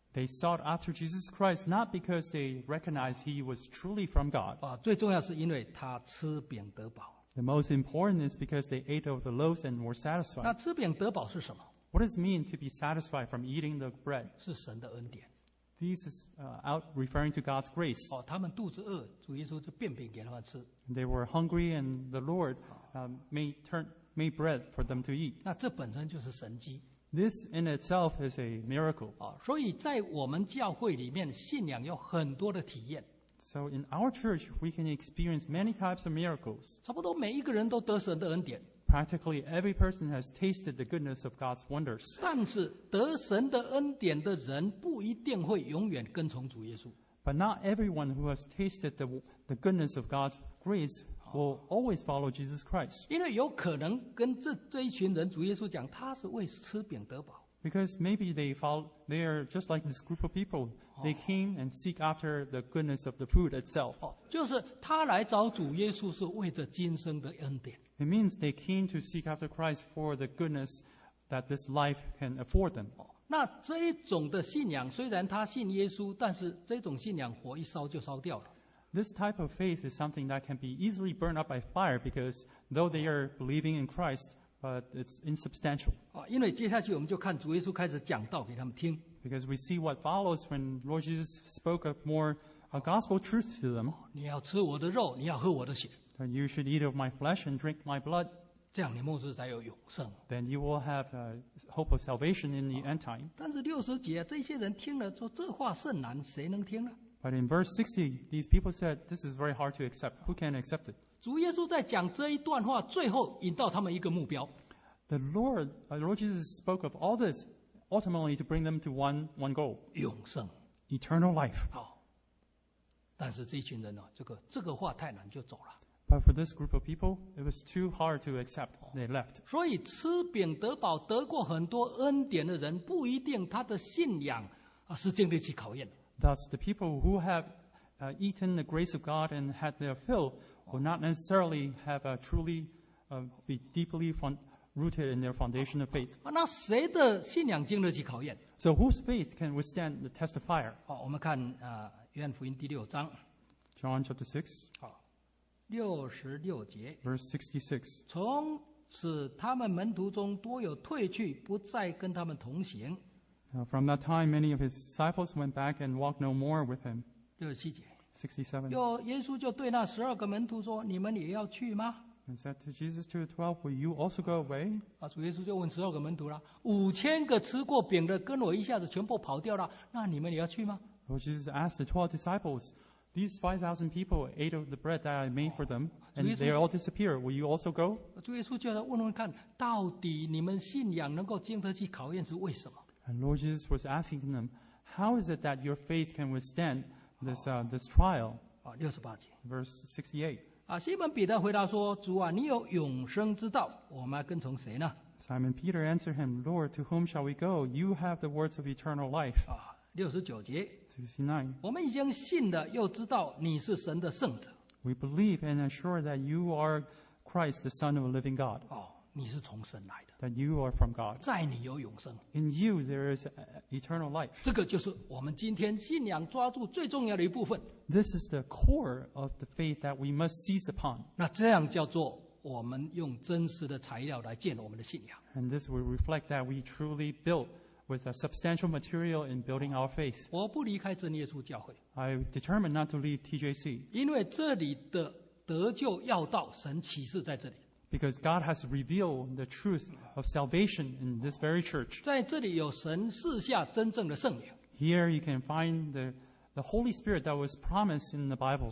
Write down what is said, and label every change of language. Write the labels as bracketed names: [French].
[English] They sought after Jesus Christ not because they recognized he was truly from God. [Chinese] 最重要是因为他吃饼得饱。 [English] The most important is because they ate of the loaves and were satisfied. [Chinese] 那吃饼得饱是什么？ [English] What does it mean to be satisfied from eating the bread? [Chinese] 是神的恩典。 [English] This is referring to God's grace. [Chinese] 他们肚子饿，主耶稣就变饼给他们吃。 [English] They were hungry and the Lord made bread for them to eat. [Chinese] 那这本身就是神迹。 [English] This in itself is a miracle. [Chinese] 所以在我们教会里面，信仰有很多的体验。 [English] So in our church, we can experience many types of miracles. [Chinese] 差不多每一个人都得神的恩典。 [English] Practically every person has tasted the goodness of God's wonders. [Chinese] 但是得神的恩典的人不一定会永远跟从主耶稣。 [English] But not everyone who has tasted the goodness of God's grace will always follow Jesus Christ. [Chinese] 因为有可能跟这一群人主耶稣讲他是为吃饼得饱。 [English] Because maybe they are just like this group of people. They came and seek after the goodness of the food itself. [Chinese] 就是他来找主耶稣是为着今生的恩典。 [English] It means they came to seek after Christ for the goodness that this life can afford them. [Chinese] 那这一种的信仰虽然他信耶稣，但是这种信仰火一烧就烧掉了。 [English] This type of faith is something that can be easily burned up by fire because though they are believing in Christ, but it's insubstantial. [Chinese] 因为接下去我们就看主耶稣开始讲道给他们听。 [English] Because we see what follows when Lord Jesus spoke a gospel truth to them. [Chinese] 你要吃我的肉，你要喝我的血。 [English] Then you should eat of my flesh and drink my blood. [Chinese] 这样你末世才有永生。 [English] Then you will have a hope of salvation in the end time. [Chinese] 但是六十节，这些人听了说这话甚难，谁能听呢？ [English] But in verse 60, these people said, this is very hard to accept. Who can accept it? [Chinese] 主耶稣在讲这一段话最后引到他们一个目标。 [English] The Lord Jesus spoke of all this ultimately to bring them to one goal. [Chinese] 永生。 [English] Eternal life. [Chinese] 但是这群人呢，这个话太难，就走了。 [English] But for this group of people, it was too hard to accept. They left. [Chinese] 所以吃饼得饱，得过很多恩典的人，不一定他的信仰啊是经得起考验的。 [English] Thus, the people who have eaten the grace of God and had their fill will not necessarily have a truly be deeply rooted in their foundation of faith. [Chinese] 那谁的信仰经得起考验 [English] ？So whose faith can withstand the test of fire? [Chinese] 好，我们看约翰福音第六章 [English] ，John chapter 6。 [Chinese] 好。66节 [English] Verse 66. [Chinese] 从此他们门徒中多有退去，不再跟他们同行。 [English] From that time, many of his disciples went back and walked no more with him. [Chinese] 67节 67. 又耶稣就对那十二个门徒说：“你们也要去吗？” [English] And said to Jesus to the 12, "Will you also go away?" [Chinese] 主耶稣就问十二个门徒了：“五千个吃过饼的跟我一下子全部跑掉了，那你们也要去吗？” [English] Lord Jesus asked the 12 disciples. These 5,000 people ate of the bread that I made for them, and they all disappeared. Will you also go? [Chinese] 主耶稣就要问问看，到底你们信仰能够经得起考验是为什么？ [English] And Lord Jesus was asking them, how is it that your faith can withstand this, this trial? 68 节。Verse 68. [Chinese] 西门彼得回答说，主啊，你有永生之道，我们要跟从谁呢？ [English] Simon Peter answered him, Lord, to whom shall we go? You have the words of eternal life. [Chinese] 69节 69. 我们已经信了又知道你是神的圣者 [English] We believe and assure that you are Christ, the Son of a living God、 [Chinese] 你是从神来的 [English] That you are from God [Chinese] 在你有永生 [English] In you there is eternal life [Chinese] 这个就是我们今天信仰抓住最重要的一部分 [English] This is the core of the faith that we must seize upon [Chinese] 那这样叫做我们用真实的材料来建我们的信仰 [English] And this will reflect that we truly build with a substantial material in building our faith. [Chinese] 我不离开真耶稣教会。 [English] I determined not to leave TJC. [Chinese] 因为这里的得救要道神启示在这里。 [English] Because God has revealed the truth of salvation in this very church. [Chinese] 在这里有神赐下真正的圣灵。 [English] Here you can find the Holy Spirit that was promised in the Bible.